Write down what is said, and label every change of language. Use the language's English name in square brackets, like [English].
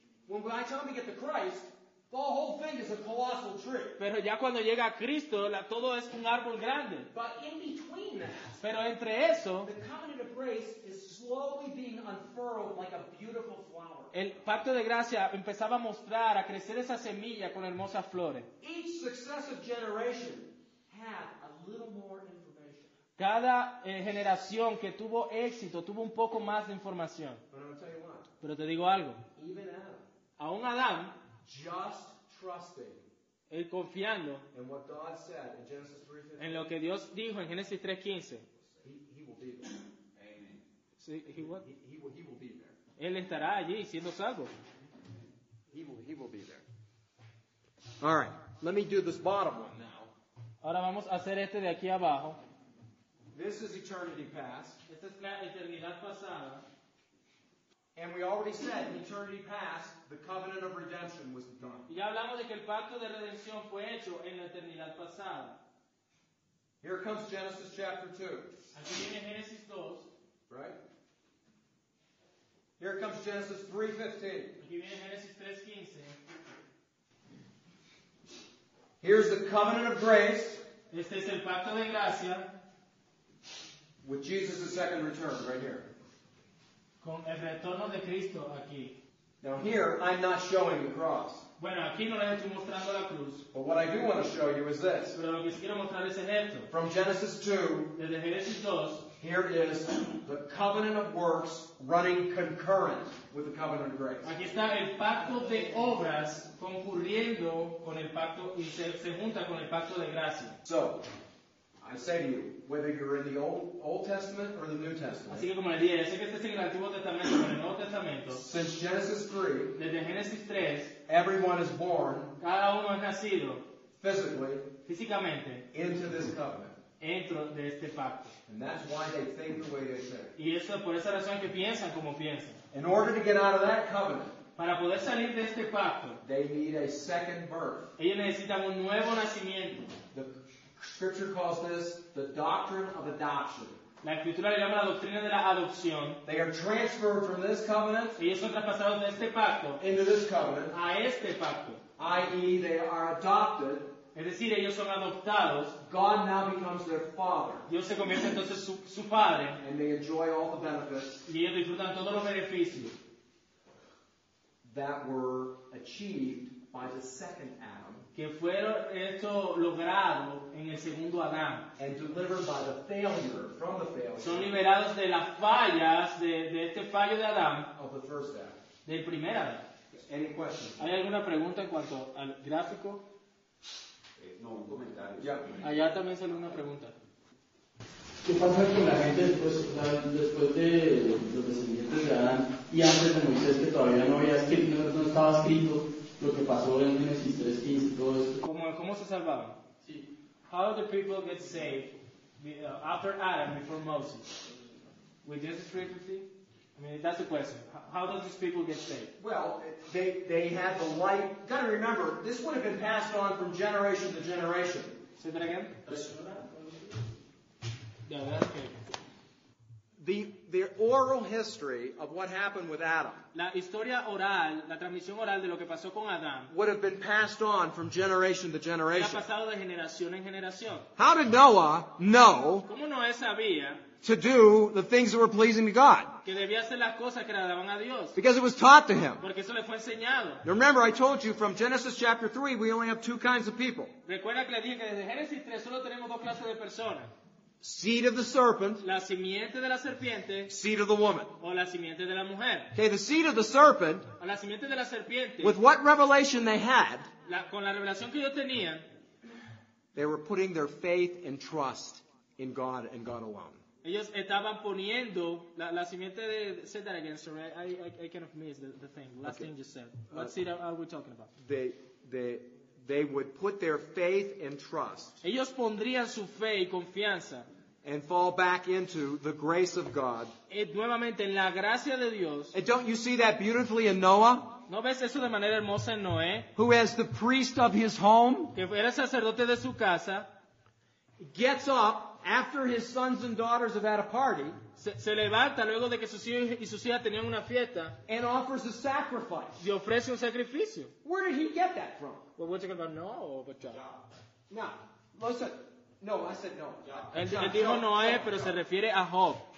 [English] When I come to get to Christ, the whole thing is a colossal tree. [Spanish] Pero ya cuando llega a Cristo, todo es un árbol grande. [English] But in between that, [Spanish] pero entre eso, [English] the covenant of grace is slowly being unfurled like a beautiful flower. [Spanish] El pacto de gracia empezaba a mostrar, a crecer esa semilla con hermosas flores. [English] Each successive generation had a little more information. [Spanish] Cada generación que tuvo éxito tuvo un poco más de información. [English] But I'll tell you what. [Spanish] Pero te digo algo. [English] Even Adam. [Spanish] Aún Adán. [English] Just trusting. [Spanish] Él confiando. [English] In what God said in Genesis 3:15. [Spanish] En lo que Dios dijo en Génesis 3:15. [English] He will be there. Amen. See, he what? He will be there. [Spanish] Él estará allí siendo salvo. [English] He will be there. All right. Let me do this bottom one now. [Spanish] Ahora vamos a hacer este de aquí abajo. [English] This is eternity past. [Spanish] Esta es la eternidad pasada. [English] And we already said in eternity past the covenant of redemption was done. [Spanish] Ya hablamos de que el pacto de redención fue hecho en la eternidad pasada. [English] Here comes Genesis chapter 2. [Spanish] Aquí viene Génesis 2. [English] Right? Here comes Genesis 3:15. [Spanish] Aquí viene Génesis 3:15. [English] Here's the covenant of grace. [Spanish] Este es el pacto de gracia. [English] With Jesus' second return, right here. [Spanish] Con el retorno de Cristo aquí. [English] Now here, I'm not showing the cross. [Spanish] Bueno, aquí no les estoy mostrando la cruz. [English] But what I do want to show you is this. [Spanish] Pero lo que quiero mostrar es esto. [English] From Genesis 2, [Spanish] desde Génesis 2, [English] here is the covenant of works running concurrent with the covenant of grace. [Spanish] Aquí está el pacto de obras concurriendo con el pacto y se junta con el pacto de gracia. [English] So, I say to you, whether you're in the Old Testament or the New Testament. [Spanish] Así que como le dije, sé que estás en el Antiguo Testamento o en el Nuevo Testamento. [English] Since Genesis 3, [Spanish] desde Génesis 3, [English] everyone is born, [Spanish] cada uno es nacido, [English] physically, [Spanish] físicamente, [English] into this covenant. [Spanish] Dentro de este pacto. [English] And that's why they think the way they say. [Spanish] Y eso por esa razón que piensan como piensan. [English] In order to get out of that covenant, [Spanish] para poder salir de este pacto, [English] they need a second birth. [Spanish] Ellos necesitan un nuevo nacimiento. [English] Scripture calls this the doctrine of adoption. [Spanish] La escritura le llama la doctrina de la adopción. [English] They are transferred from this covenant. [Spanish] Ellos son traspasados de este pacto. [English] Into this covenant. [Spanish] A este pacto. [English] I.e. they are adopted. [Spanish] Es decir, ellos son adoptados. [English] God now becomes their father. [Spanish] Dios se convierte entonces su padre. [English] And they enjoy all the benefits. [Spanish] Y ellos disfrutan todos los beneficios. [English] That were achieved by the second Adam. [Spanish] Que fueron esto logrado en el segundo Adán. [English] And delivered by the failure from the failure. [Spanish] Son liberados de las fallas de este fallo de Adán. [English] Of the first Adam. [Spanish] Del primer Adán. [English] Any questions? [Spanish] ¿Hay alguna pregunta en cuanto al gráfico? No, un comentario. [English] Yeah. [Spanish] Allá también sale una pregunta. ¿Qué pasa con la gente después de los descendientes de Adán y antes de Moisés, que todavía no había escrito, no estaba escrito? Lo que pasó en Génesis 3:15 y todo esto. ¿Cómo se salvaron? Sí. [English] How the people get saved after Adam, before Moses? With Genesis 3:15? I mean, that's the question. How do these people get saved? Well, they had the light. Got to remember, this would have been passed on from generation to generation. Say that again? Yes. Yeah, that's okay. the oral history of what happened with Adam. [Spanish] La historia oral, la transmisión oral de lo que pasó con Adán. [English] Would have been passed on from generation to generation. [Spanish] Ha pasado de generación en generación. [English] How did Noah know? [Spanish] ¿Cómo Noé sabía? [English] To do the things that were pleasing to God. [Spanish] Que debía hacer las cosas que le daban a Dios. [English] Because it was taught to him. [Spanish] Porque eso le fue enseñado. [English] Now remember, I told you from Genesis chapter 3, we only have two kinds of people. [Spanish] Recuerda que le dije que desde Génesis 3 solo tenemos dos clases de personas. [English] Seed of the serpent. [Spanish] La simiente de la serpiente. [English] Seed of the woman. [Spanish] O la simiente de la mujer. [English] Okay, the seed of the serpent. [Spanish] O la simiente de la serpiente. [English] With what revelation they had. [Spanish] Con la revelación que ellos tenían. [English] They were putting their faith and trust in God and God alone. [Spanish] Ellos estaban poniendo la simiente de... [English] Say that again, sir. I kind of missed the thing. Last okay. thing you said. What seed are we talking about? They would put their faith and trust. [Spanish] Ellos pondrían su fe y confianza. [English] And fall back into the grace of God. [Spanish] Nuevamente en la gracia de Dios. [English] And don't you see that beautifully in Noah? [Spanish] ¿No ves eso de manera hermosa en Noé? [English] Who as the priest of his home. [Spanish] Que era sacerdote de su casa. [English] Gets up. After his sons and daughters have had a party, [Spanish] se levanta luego de que sus hijos y sus hijas tenían una fiesta, [English] and offers a sacrifice. [Spanish] Y ofrece un sacrificio. [English] Where did he get that from? Well, what's it about Noah or about John? No, listen. I said no. [Spanish] Él dijo Noé, pero se refiere a Job.